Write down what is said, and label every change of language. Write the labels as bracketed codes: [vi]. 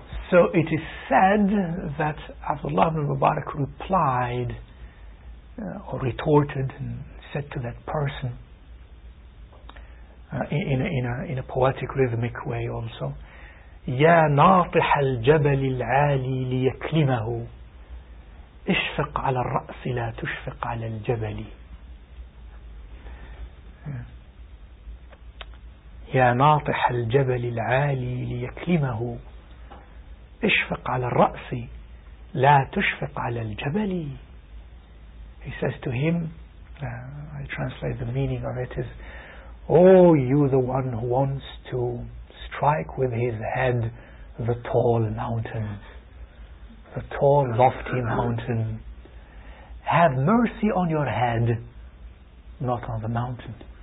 [en] So it is said that Abdullah ibn Mubarak replied or retorted and said to that person in a poetic, rhythmic way also, [ar] Ya ناطح الجبل العالي ليكلمه اشفق على الرأس لا تشفق على الجبل. يا ناطح الجبل العالي ليكلمه اشفق على الرأس لا تشفق على الجبل. [en] He says to him, I translate the meaning of it, is, oh, you the one who wants to strike with his head the tall mountain, the tall, lofty mountain, have mercy on your head, not on the mountain.